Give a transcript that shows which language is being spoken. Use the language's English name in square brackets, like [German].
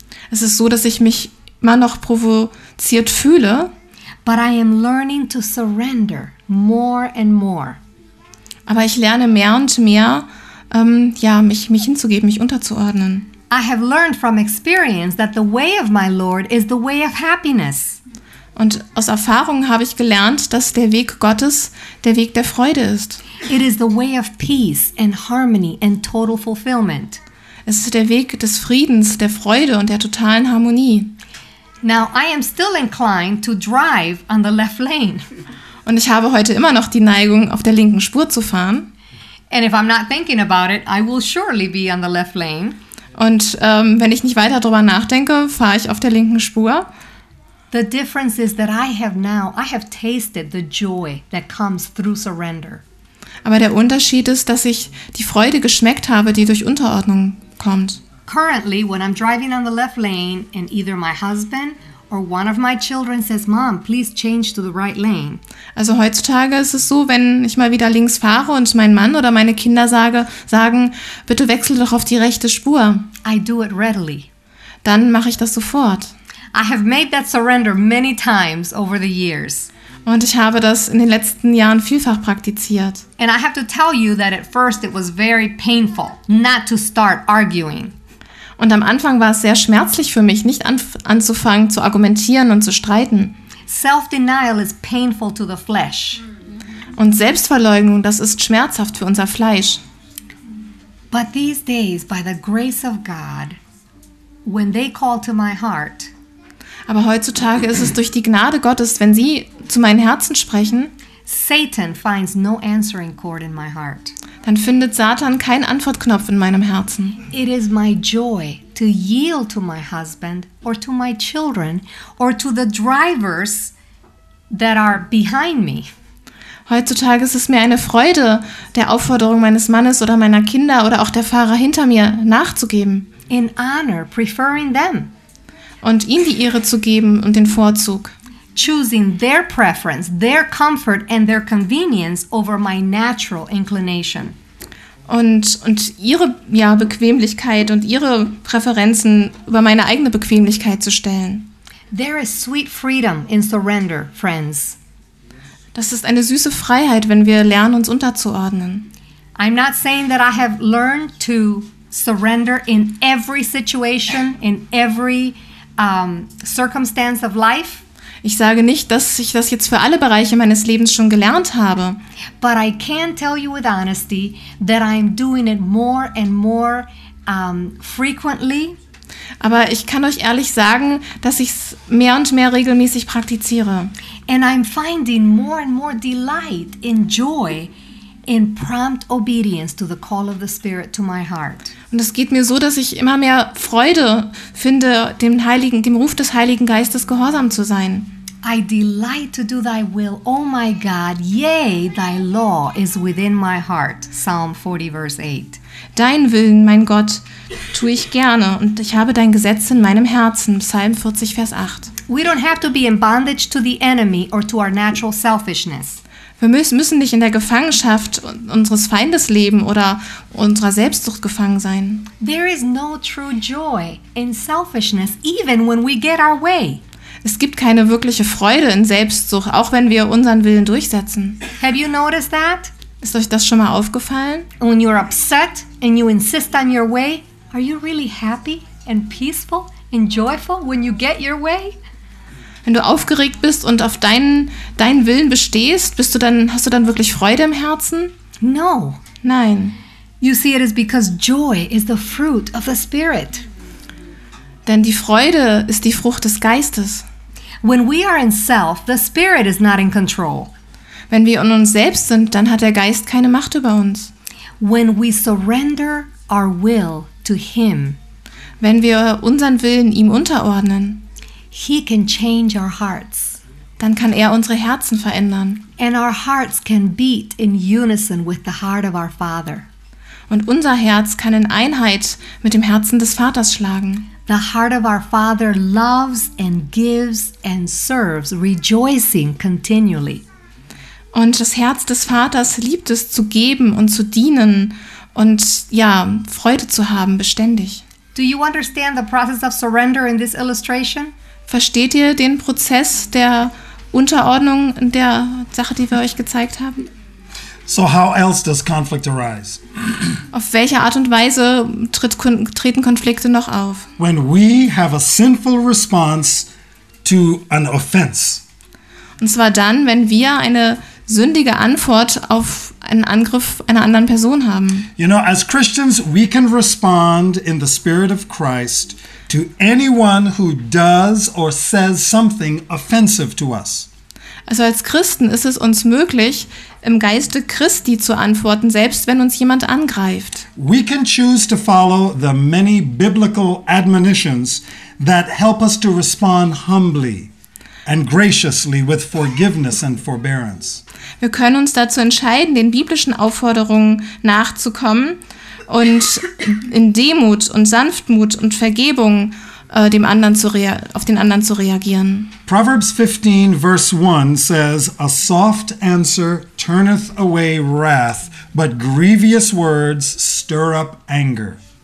[German] Es ist so, dass ich mich immer noch provoziert fühle. [English] But I am learning to surrender more and more. [German] Aber ich lerne mehr und mehr, mich hinzugeben, mich unterzuordnen. [English] I have learned from experience that the way of my Lord is the way of happiness. [German] Und aus Erfahrung habe ich gelernt, dass der Weg Gottes der Weg der Freude ist. [English] It is the way of peace and harmony and total fulfillment. [German] Es ist der Weg des Friedens, der Freude und der totalen Harmonie. [English] Now I am still inclined to drive on the left lane. [German] Und ich habe heute immer noch die Neigung, auf der linken Spur zu fahren. [English] And if I'm not thinking about it, I will surely be on the left lane. [German] Und wenn ich nicht weiter drüber nachdenke, fahre ich auf der linken Spur. [English] The difference is that I have tasted the joy that comes through surrender. [German] Aber der Unterschied ist, dass ich die Freude geschmeckt habe, die durch Unterordnung kommt. [English] Currently, when I'm driving on the left lane and either my husband or one of my children says, "Mom, please change to the right lane." [German] Also heutzutage ist es so, wenn ich mal wieder links fahre und mein Mann oder meine Kinder sagen, bitte wechsel doch auf die rechte Spur. [English] I do it readily. [German] Dann mache ich das sofort. [English] I have made that surrender many times over the years. [German] Und ich habe das in den letzten Jahren vielfach praktiziert. [English] And I have to tell you that at first it was very painful not to start arguing. [German] Und am Anfang war es sehr schmerzlich für mich, nicht anzufangen zu argumentieren und zu streiten. [English] Self-denial is painful to the flesh. [German] Und Selbstverleugnung, das ist schmerzhaft für unser Fleisch. [English] But these days, by the grace of God, when they call to my heart. [German] Aber heutzutage ist es durch die Gnade Gottes, wenn sie zu meinen Herzen sprechen. [English] Satan finds no answering chord in my heart. [German] Dann findet Satan keinen Antwortknopf in meinem Herzen. [English] It is my joy to yield to my husband or to my children or to the drivers that are behind me. [German] Heutzutage ist es mir eine Freude, der Aufforderung meines Mannes oder meiner Kinder oder auch der Fahrer hinter mir nachzugeben. [English] In honor, preferring them. [German] Und ihnen die Ehre zu geben und den Vorzug. [English] Choosing their preference, their comfort and their convenience over my natural inclination. [German] Und ihre ja, Bequemlichkeit und ihre Präferenzen über meine eigene Bequemlichkeit zu stellen. [English] There is sweet freedom in surrender, friends. [German] Das ist eine süße Freiheit, wenn wir lernen, uns unterzuordnen. [English] I'm not saying that I have learned to surrender in every situation, in every circumstance of life. [German] Ich sage nicht, dass ich das jetzt für alle Bereiche meines Lebens schon gelernt habe. [English] But I can tell you with honesty that I'm doing it more and more frequently. [German] Aber ich kann euch ehrlich sagen, dass ich es mehr und mehr regelmäßig praktiziere. [English] And I'm finding more and more delight in joy in prompt obedience to the call of the Spirit to my heart. [German] Und es geht mir so, dass ich immer mehr Freude finde, dem Ruf des Heiligen Geistes gehorsam zu sein. [English] I delight to do thy will, O my God, yea, thy law is within my heart. Psalm 40, verse 8. [German] Dein Willen, mein Gott, tue ich gerne und ich habe dein Gesetz in meinem Herzen. Psalm 40, Vers 8. [English] We don't have to be in bondage to the enemy or to our natural selfishness. [German] Wir müssen nicht in der Gefangenschaft unseres Feindes leben oder unserer Selbstsucht gefangen sein. [English] There is no true joy in selfishness, even when we get our way. [German] Es gibt keine wirkliche Freude in Selbstsucht, auch wenn wir unseren Willen durchsetzen. [English] Have you noticed that? [German] Ist euch das schon mal aufgefallen? [English] When you're upset and you insist on your way, are you really happy and peaceful and joyful when you get your way? [German] wenn du aufgeregt bist und auf deinen Willen bestehst, hast du dann wirklich Freude im Herzen? [English] No. [German] Nein. [English] You see, it is because joy is the fruit of the Spirit. [German] Denn die Freude ist die Frucht des Geistes. [English] When we are in self, the Spirit is not in control. [German] Wenn wir in uns selbst sind, dann hat der Geist keine Macht über uns. [English] When we surrender our will to Him, [German] wenn wir unseren Willen ihm unterordnen, [English] He can change our hearts. [German] Dann kann unsere Herzen verändern. [English] And our hearts can beat in unison with the heart of our Father. [German] Und unser Herz kann in Einheit mit dem Herzen des Vaters schlagen. [English] The heart of our Father loves and gives and serves, rejoicing continually. [German] Und das Herz des Vaters liebt es zu geben und zu dienen und ja, Freude zu haben beständig. [English] Do you understand the process of surrender in this illustration? [German] Versteht ihr den Prozess der Unterordnung in der Sache, die wir euch gezeigt haben? [English] So how else does conflict arise? [German] Auf welche Art und Weise treten Konflikte noch auf? [English] When we have a sinful response to an offense. [German] Und zwar dann, wenn wir eine sündige Antwort auf einen Angriff einer anderen Person haben. [English] You know, as Christians, we can respond in the spirit of Christ to anyone who does or says something offensive to us. [German] Also als Christen ist es uns möglich, im Geiste Christi zu antworten, selbst wenn uns jemand angreift. [English] We can choose to follow the many biblical admonitions that help us to respond humbly and graciously with forgiveness and forbearance. [German] Wir können uns dazu entscheiden, den biblischen Aufforderungen nachzukommen und in Demut und Sanftmut und Vergebung auf den anderen zu reagieren. [English] Proverbs 15, verse 1 says, a soft answer turneth away wrath, but grievous words stir up anger.